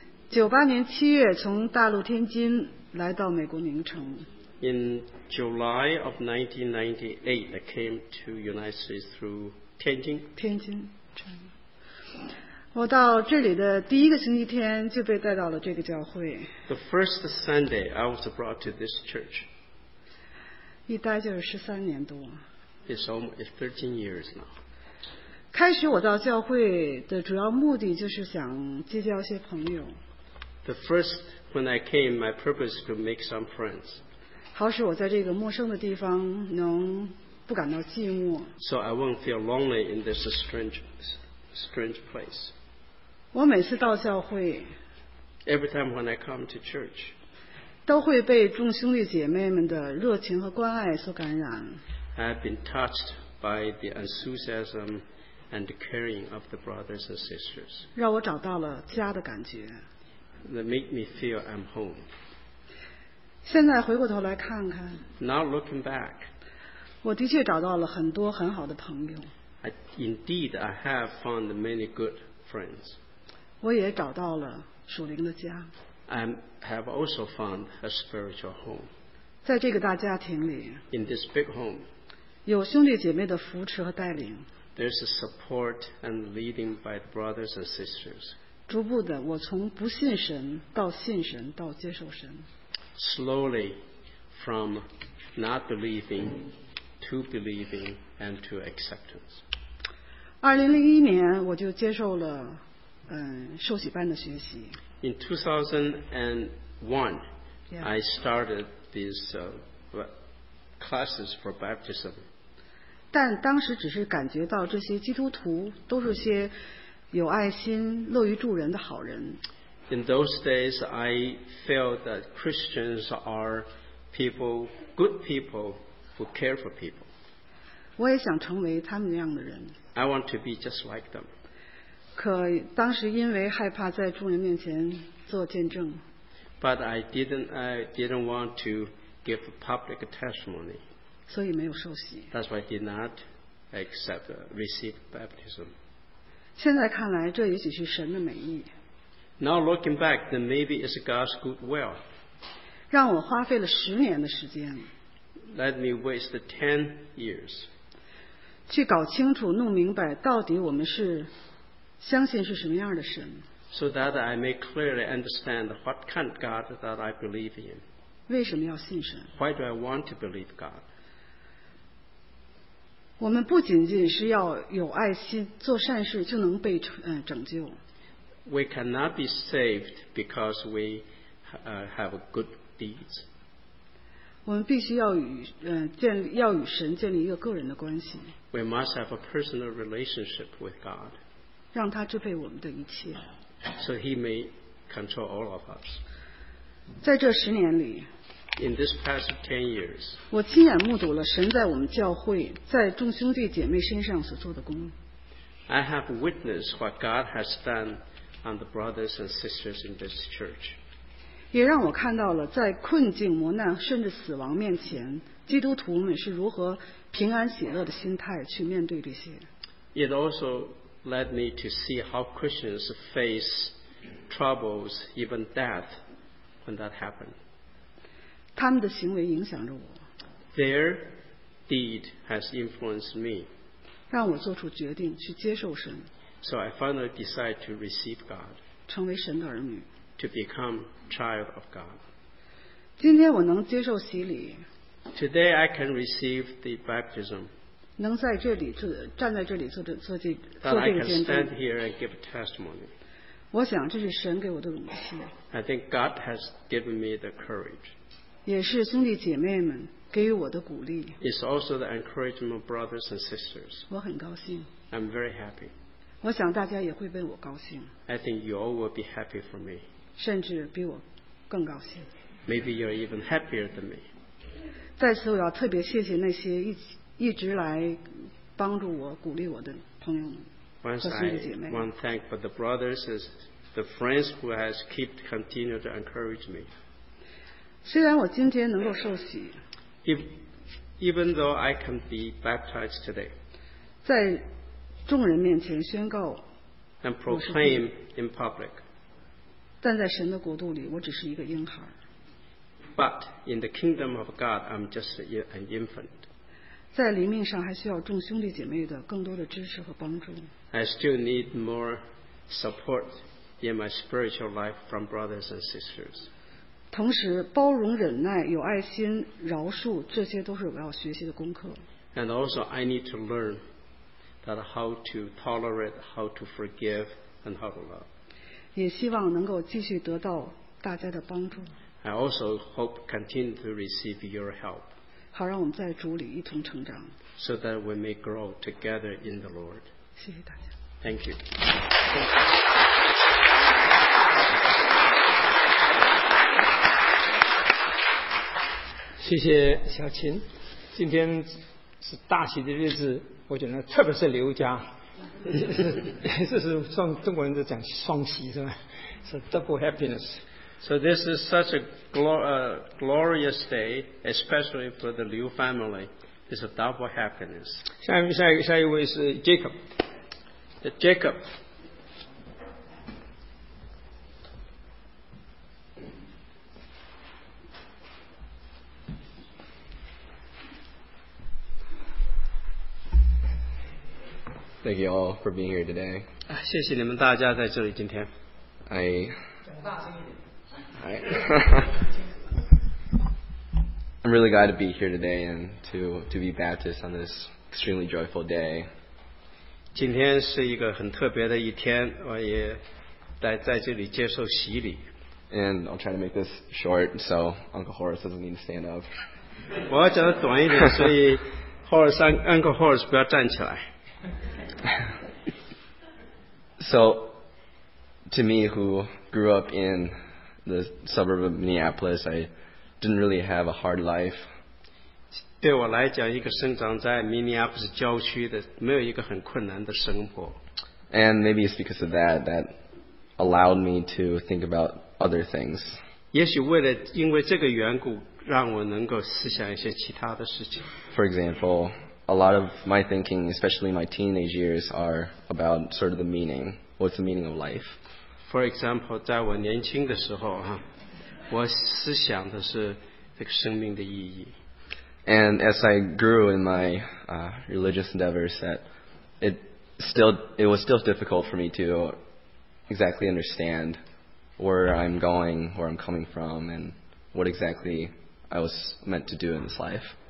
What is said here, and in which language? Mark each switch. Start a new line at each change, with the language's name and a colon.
Chinese: 1998年7月从大陆天津来到美国明城。
English: In July of 1998, I came to United States through 天津。
Chinese: 天津，我到这里的第一个星期天就被带到了这个教会。
English: The first Sunday, I was brought to this church.
Chinese: 一待就是13年多。
English: It's 13 years now.
Chinese: 开始我到教会的主要目的就是想结交一些朋友。
English: The first, when I came, my purpose was to make some friends.
Chinese: 好使我在这个陌生的地方能不感到寂寞。
English: So I won't feel lonely in this strange place.
Chinese: 我每次到教会。
English: Every time when I come to church.
Chinese: 都会被众兄弟姐妹们的热情和关爱所感染。
English: I've been touched by the enthusiasm and caring of the brothers and sisters.
Chinese: 让我找到了家的感觉。
English: That made me feel I'm home.
Chinese: 现在回过头来看看
English: Not looking back,
Chinese: 我的确找到了很多很好的朋友
English: Indeed, I have found many good friends.
Chinese: 我也找到了属灵的家
English: I have also found a spiritual home.
Chinese: 在这个大家庭里
English: In this big home,
Chinese: 有兄弟姐妹的扶持和带领
English: There's a support and leading by the brothers and sisters.
Chinese: 逐步的我从不信神到信神到接受神
English: Slowly, from not believing to believing and to acceptance.
Chinese: 2001年，我就接受了受洗班的学习。
English: In 2001, 1, yeah. I started these classes for baptism.
Chinese: 但当时只是感觉到这些基督徒都是些有爱心、乐于助人的好人。
English: In those days, I felt that Christians are people, good people who care for people.
Chinese: 我也想成为他们那样的人。
English: I want to be just like them.
Chinese: 可当时因为害怕在众人面前做见证。
English: But I didn't want to give a public testimony.
Chinese: 所以没有受洗。
English: That's why I did not accept, receive baptism.
Chinese: 现在看来，这也许是神的美意。
English: Now looking back, then maybe it's God's good will.
Chinese: 让我花费了十年的时间。
English: Let me waste 10 years.
Chinese: 去搞清楚、弄明白到底我们是相信是什么样的神。
English: So that I may clearly understand what kind of God that I believe in.
Chinese: 为什么要信神？
English: Why do I want to believe God?
Chinese: 我们不仅仅是要有爱心、做善事就能被拯救。
English: We cannot be saved because we have good deeds.
Chinese: 我们必须要与神建立一个个人的关系。
English: We must have a personal relationship with God.
Chinese: 让他支配我们的一切。
English: So he may control all of us.
Chinese: 在这十年里，
English: In this past 10 years,
Chinese: 我亲眼目睹了神在我们教会，在众兄弟姐妹身上所做的工。
English: I have witnessed what God has done on the brothers and sisters in this church.
Chinese: 也让我看到了在困境、磨难甚至死亡面前，基督徒们是如何平安喜乐的心态去面对这些。
English: It also led me to see how Christians face troubles, even death, when that happened.
Chinese: 他们的行为影响着我。
English: Their deed has influenced me.
Chinese: 让我做出决定去接受神。
English: So I finally decided to receive God.
Chinese: 成为神的儿女。
English: To become child of God.
Chinese: 今天我能接受洗礼。
English: Today I can receive the baptism.
Chinese: 能在这里做，站在这里做这做这做这个见证。
English: That I can stand here and give a testimony.
Chinese: 我想这是神给我的勇气。
English: I think God has given me the courage.
Chinese: 也是兄弟姐妹们给予我的鼓励。
English: It's also the encouragement of brothers and sisters.
Chinese: 我很高兴。
English: I'm very happy.
Chinese: 我想大家也会为我高兴。
English: I think you all will be happy for me.
Chinese: 甚至比我更高兴。
English: Maybe you're even happier than me.
Chinese: 在此我要特别谢谢那些一直来帮助我、鼓励我的朋友们和兄弟姐妹。
English: Once I want to thank for the brothers and the friends who has keep continue to encourage me.
Chinese: 虽然我今天能够受洗。
English: Even though I can be baptized today.
Chinese: 在众人面前宣告
English: and proclaim in public.
Chinese: 但在神的国度里，我只是一个婴孩。
English: But in the kingdom of God, I'm just an infant.
Chinese: 在灵命上还需要众兄弟姐妹的更多的支持和帮助。
English: I still need more support in my spiritual life from brothers and sisters.
Chinese: 同时，包容、忍耐、有爱心、饶恕，这些都是我要学习的功课。
English: And also, I need to learn. That how to tolerate, how to forgive, and how to love.
Chinese: 也希望能够继续得到大家的帮助。
English: I also hope continue to receive your help.
Chinese: 好让我们在主里一同成长。
English: So that we may grow together in the Lord.
Chinese: 谢谢大家。
English: Thank you. Thank you.
Chinese: 谢谢小琴，今天是大喜的日子。我觉得特别是刘家，这是中国人在讲双喜是吧？
English: 是 double happiness. So this is such a glorious day, especially for the Liu family. It's a double happiness.
Chinese: 下一位是 Jacob. Jacob.
English: Thank you all for being here today.
Chinese: 谢谢你们大家在这里今天。
English: I'm really glad to be here today and to be Baptist on this extremely joyful day.
Chinese: 今天是一个很特别的一天，我也在这里接受洗礼。
English: And I'll try to make this short so Uncle Horace doesn't need to stand up.
Chinese: 我要讲得短一点，所以 Horace, Uncle Horace 不要站起来。
English: So, to me who grew up in the suburb of Minneapolis, I didn't really have a hard life.
Chinese: 对我来讲，一个生长在 Minneapolis 郊区的，没有一个很困难的生活。
English: And maybe it's because of that that allowed me to think about other things.
Chinese: 也许为了因为这个缘故，让我能够思想一些其他的事情。
English: For example, a lot of my thinking, especially my teenage years, are about sort of the meaning. What's the meaning of life? For example,
Chinese: 在我年轻的时候，我思想的是这个生命的意义。
English: And as I grew in my religious endeavors, that it was still difficult for me to exactly understand where I'm going, where I'm coming from, and what exactly I was meant to do in this life.